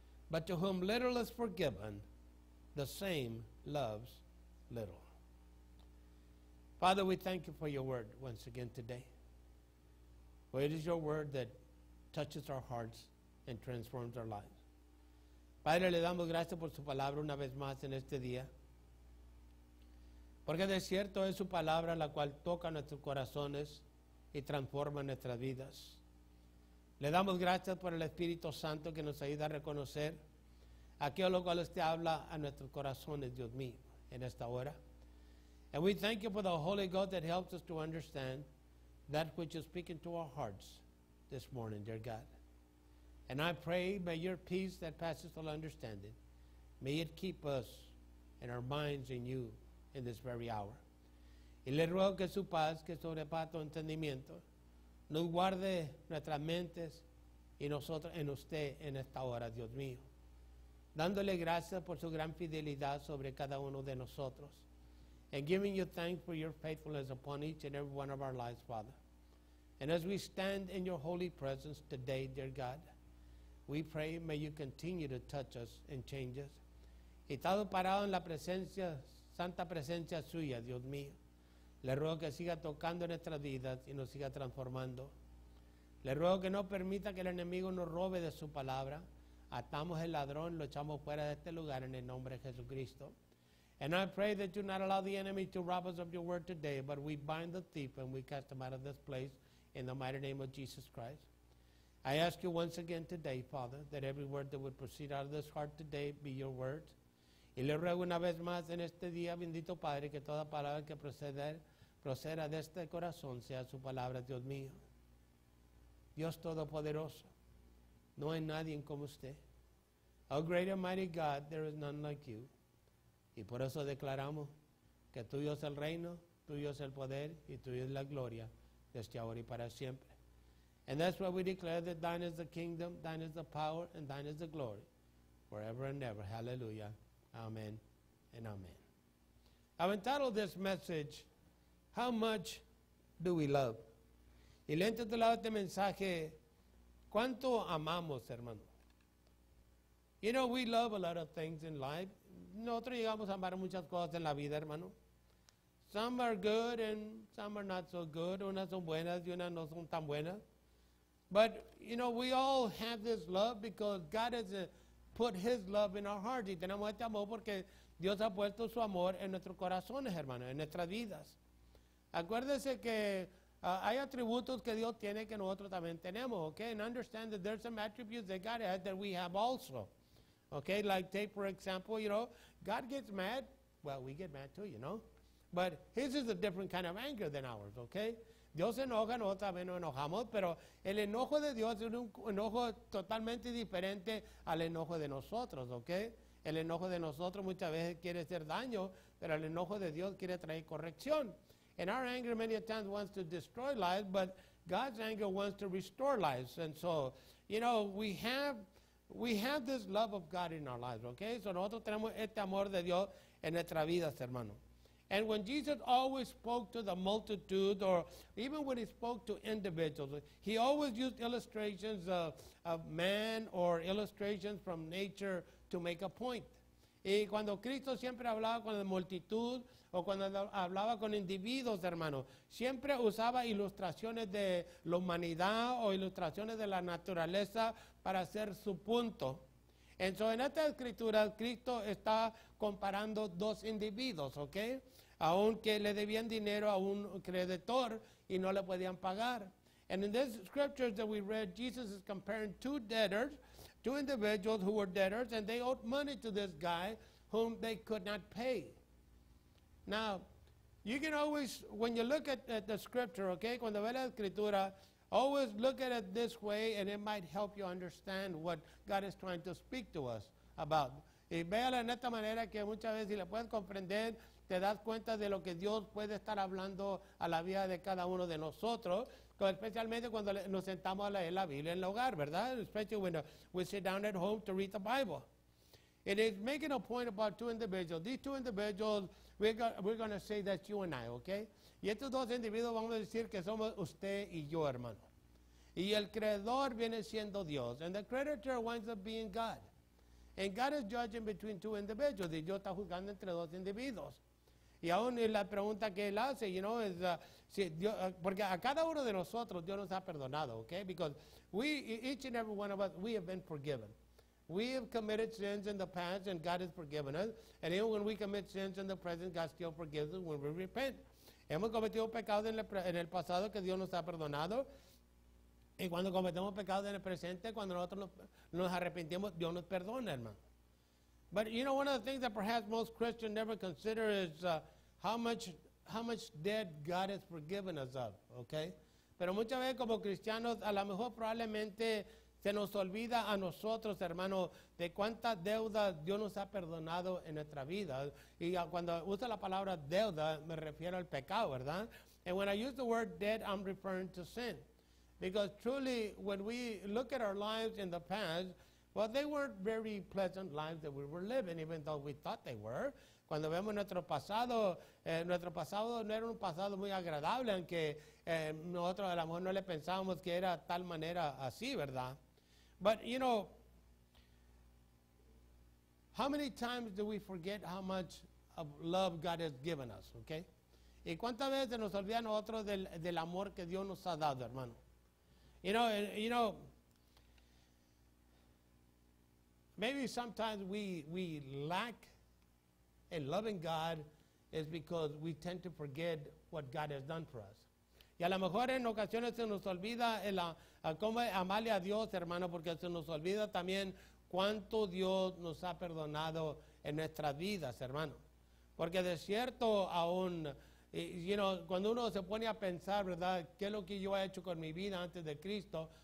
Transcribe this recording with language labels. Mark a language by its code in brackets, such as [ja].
[en] But to whom little is forgiven, the same loves little. Father, we thank you for your word once again today. For it is your word that touches our hearts and transforms our lives. [es] Padre, le damos gracias por su palabra una vez más en este día. Porque de cierto es su palabra la cual toca nuestros corazones y transforma nuestras vidas. Le damos gracias por el Espíritu Santo que nos ayuda a reconocer aquello lo cual usted habla a nuestros corazones, Dios mío, en esta hora. [en] And we thank you for the Holy Ghost that helps us to understand that which is speaking to our hearts this morning, dear God. And I pray by your peace that passes all understanding, may it keep us and our minds in you in this very hour. [es] Y le ruego que su paz, que sobrepasa todo entendimiento, nos guarde nuestras mentes y nosotros en usted en esta hora, Dios mío. Dándole gracias por su gran fidelidad sobre cada uno de nosotros. [en] And giving you thanks for your faithfulness upon each and every one of our lives, Father. And as we stand in your holy presence today, dear God, we pray may you continue to touch us and change us. [es] Y estado parado en la presencia, santa presencia suya, Dios mío. Le ruego que siga tocando nuestras vidas y nos siga transformando. Le ruego que no permita que el enemigo nos robe de su palabra. Atamos el ladrón, lo echamos fuera de este lugar en el nombre de Jesucristo. [en] And I pray that you not allow the enemy to rob us of your word today, but we bind the thief and we cast him out of this place in the mighty name of Jesus Christ. I ask you once again today, Father, that every word that would proceed out of this heart today be your word. [es] Y le ruego una vez más en este día, bendito Padre, que toda palabra que proceda de este corazón sea su palabra, Dios mío. Dios Todopoderoso, no hay nadie como usted. A [en] Oh, great and mighty God, there is none like you. [es] Y por eso declaramos que tuyo es el reino, tuyo es el poder, y tuyo es la gloria, desde ahora y para siempre. [en] And that's why we declare that thine is the kingdom, thine is the power, and thine is the glory, forever and ever. Hallelujah. Amen and amen. I've entitled this message, How Much Do We Love? [es] Y le he entitulado este mensaje, ¿Cuánto amamos, hermano? [en] You know, we love a lot of things in life. [es] Nosotros llegamos a amar muchas cosas en la vida, hermano. [en] Some are good and some are not so good. [es] Unas son buenas y unas no son tan buenas. [en] But, you know, we all have this love because God has put his love in our hearts. [es] Y tenemos este amor porque Dios ha puesto su amor en nuestros corazones, hermano, en nuestras vidas. Acuérdese que hay atributos que Dios tiene que nosotros también tenemos, okay? [en] And understand that there's some attributes that God has that we have also. Okay, like take for example, you know, God gets mad. Well, we get mad too, you know. But his is a different kind of anger than ours, okay? [es] Dios se enoja, nosotros también nos enojamos, pero el enojo de Dios es un enojo totalmente diferente al enojo de nosotros, okay? El enojo de nosotros muchas veces quiere hacer daño, pero el enojo de Dios quiere traer corrección. [en] And our anger many times wants to destroy lives, but God's anger wants to restore lives. And so, you know, we have this love of God in our lives, okay? [es] So nosotros tenemos este amor de Dios en nuestras vidas, hermano. [en] And when Jesus always spoke to the multitude, or even when he spoke to individuals, he always used illustrations of man or illustrations from nature to make a point. [es] Y cuando Cristo siempre hablaba con la multitud, o cuando hablaba con individuos, hermano, siempre usaba ilustraciones de la humanidad o ilustraciones de la naturaleza para hacer su punto. [en] And so [es] en esta escritura, Cristo está comparando dos individuos, ¿ok? Aunque le debían dinero a un creditor y no le podían pagar. [en] And in this scripture that we read, Jesus is comparing two debtors, two individuals who were debtors, and they owed money to this guy whom they could not pay. Now, you can always, when you look at the scripture, okay, [es] cuando ve la escritura, [en] always look at it this way, and it might help you understand what God is trying to speak to us about. [es] Y véala en esta manera que muchas veces si la puedes comprender, te das cuenta de lo que Dios puede estar hablando a la vida de cada uno de nosotros, especialmente cuando nos sentamos a leer la Biblia en el hogar, ¿verdad? [en] Especially when we sit down at home to read the Bible. It is making a point about two individuals. These two individuals, we're going to say that's you and I, okay? [es] Y estos dos individuos vamos a decir que somos usted y yo, hermano. Y el creador viene siendo Dios. [en] And the creditor winds up being God. And God is judging between two individuals. [es] Y Dios está juzgando entre dos individuos. Y aún la pregunta que él hace, [en] you know, [es] es, si Dios, porque a cada uno de nosotros Dios nos ha perdonado, okay? [en] Because we, each and every one of us, we have been forgiven. We have committed sins in the past and God has forgiven us. And even when we commit sins in the present, God still forgives us when we repent. [es] Hemos cometido pecados en el pasado que Dios nos ha perdonado. Y cuando cometemos pecados en el presente, cuando nosotros nos arrepentimos, Dios nos perdona, hermano. [en] But you know, one of the things that perhaps most Christians never consider is how much debt God has forgiven us of, okay? [es] Pero muchas veces como cristianos, a lo mejor probablemente se nos olvida a nosotros, hermano, de cuántas deudas Dios nos ha perdonado en nuestra vida. Y cuando uso la palabra deuda, me refiero al pecado, ¿verdad? [en] And when I use the word debt, I'm referring to sin. Because truly, when we look at our lives in the past, well, they weren't very pleasant lives that we were living, even though we thought they were. [es] Cuando vemos nuestro pasado no era un pasado muy agradable, aunque nosotros a lo mejor no le pensábamos que era tal manera así, ¿verdad? [en] But, you know, how many times do we forget how much of love God has given us, okay? [es] ¿Y cuántas veces nos olvida nosotros del amor que Dios nos ha dado, hermano? [en] You know, maybe sometimes we lack in loving God is because we tend to forget what God has done for us. [es] Y a lo mejor en ocasiones se nos olvida cómo amarle a Dios, hermano, porque se nos olvida también cuánto Dios nos ha perdonado en nuestras vidas, hermano. Porque de cierto aún [en] You know, [es] cuando uno se pone a pensar, ¿verdad? ¿Qué es lo que yo he hecho con mi vida antes de Cristo?